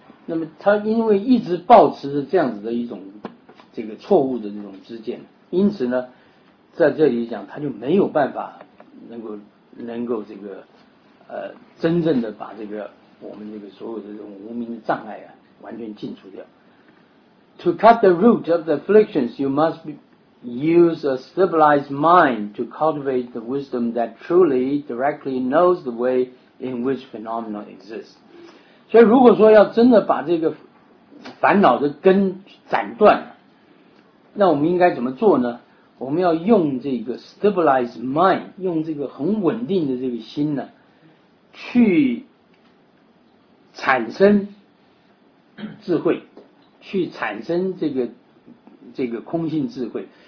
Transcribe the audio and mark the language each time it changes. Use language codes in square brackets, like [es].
[zh] 那么他因为一直抱持着这样子的一种这个错误的这种知见，因此呢，在这里讲他就没有办法能够这个真正的把这个我们这个所有的这种无明的障碍啊完全净除掉。 [en] To cut the root of the afflictions, you must use a stabilized mind to cultivate the wisdom that truly directly knows the way in which phenomena exist. [zh] 所以如果说要真的把这个烦恼的根斩断，那我们应该怎么做呢？我们要用这个 [en] stabilized mind， [zh] 用这个很稳定的这个心呢，去产生智慧，去产生这个空性智慧。